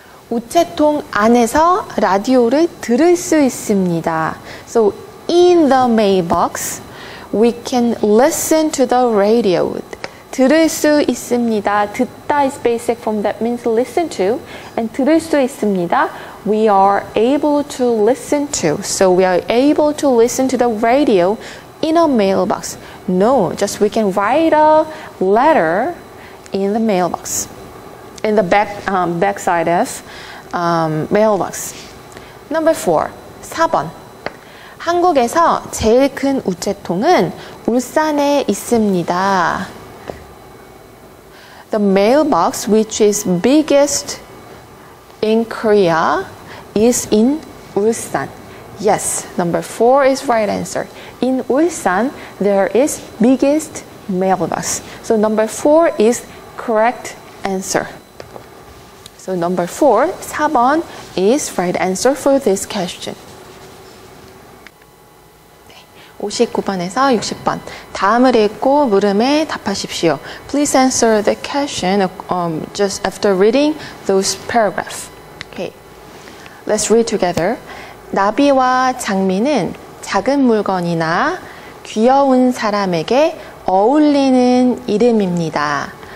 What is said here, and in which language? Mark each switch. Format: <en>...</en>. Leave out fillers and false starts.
<ko>우체통 안에서 라디오를 들을 수 있습니다.</ko> <en>So, in the mailbox, we can listen to the radio.</en> <ko>들을 수 있습니다.</ko> <en>듣다 is basic form that means listen to.</en> <ko>And 들을 수 있습니다.</ko> <en>We are able to listen to. So, we are able to listen to the radio in a mailbox. No, just we can write a letter in the mailbox. In the backside of mailbox. Number four, 4번.</en> <ko>한국에서 제일 큰 우체통은 울산에 있습니다.</ko> <en>The mailbox, which is biggest in Korea, is in Ulsan. Yes, number four is right answer. In Ulsan, there is biggest mailbox. So number four is correct answer. So number four, 4번 is right answer for this question.</en> <ko>59번에서 60번. 다음을 읽고 물음에 답하십시오.</ko> <en>Please answer the question just after reading those paragraphs. Okay. Let's read together.</en> <ko>나비와 장미는 작은 물건이나 귀여운 사람에게 어울리는 이름입니다.</ko>